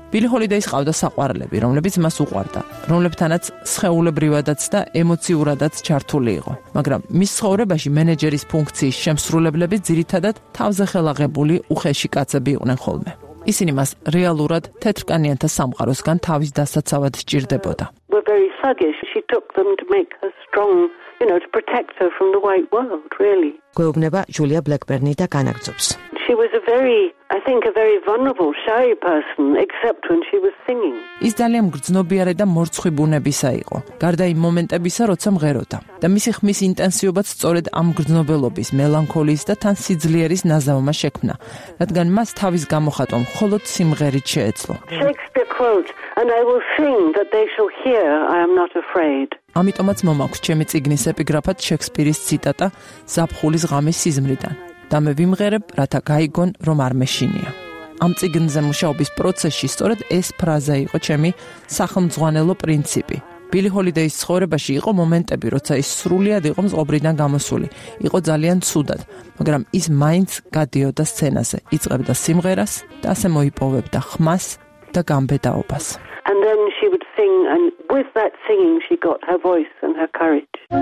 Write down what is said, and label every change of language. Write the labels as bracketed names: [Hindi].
[Georgian] ბილი ჰოლიდეის ყავდა საყვარლები, რომლებიც მას უყვარდა, რომლებთანაც სხეულებრივადაც და ემოციურადაც ჩართული იყო. მაგრამ მის ცხოვრებაში მენეჯერის ფუნქციის შემსრულებლები ძირითადად თავზე ხელაღებული უხეში კაცები იყვნენ ხოლმე. ისინი მას რეალურად თეთრკანიანთა სამყაროსგან თავის დასაცავად სჭირდებოდა. [English] She took them to make her strong, you know, to protect her from the white world, really. [Georgian] გვეუბნება ჯულია ბლეკბერნი და განაგძობს. [English] She was a very, I think, a very vulnerable, shy person, except when she was singing. [Georgian] ის ძალიან მგრძნობიარე და მორცხვი ბუნებისა იყო, გარდა იმ მომენტებისა, როცა მღეროდა. და მისი ხმის ინტენსივობაც სწორედ ამ მგრძნობელობის, მელანქოლიის და თან სიძლიერის ნაზავმა შექმნა, რადგან მას თავის გამოხატვა მხოლოდ სიმღერით შეეძლო. [English] Shakespeare quote, and I will sing that they shall hear, I am not afraid. [Georgian] ამიტომაც მომაქვს ჩემი წიგნის ეპიგრაფად შექსპირის ციტატა ზაფხულის ღამის სიზმრიდან: და მე ვიმღერებ, რათა გაიგონ, რომ არ მეშინია. ამ წიგნზე მუშაობის პროცესში სწორედ ეს ფრაზა იყო ჩემი სახელმძღვანელო პრინციპი. ბილი ჰოლიდეის ცხოვრებაში იყო მომენტები, როცა ის სრულიად იყო მწყობრიდან გამოსული, იყო ძალიან ცუდად, მაგრამ ის მაინც გადიოდა სცენაზე, იწყებდა სიმღერას და ასე მოიპოვებდა ხმას და გამბედაობას. [English] And then she would sing, and with that singing she got her voice and her courage.